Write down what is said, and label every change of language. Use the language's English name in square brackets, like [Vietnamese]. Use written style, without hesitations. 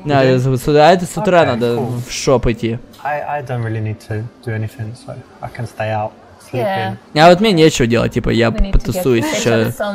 [Russian] Да, это с утра надо в шоп идти. [English] I don't really need to do anything, so I can stay out sleeping. [Russian] А вот мне нечего делать, типа я потусуюсь еще.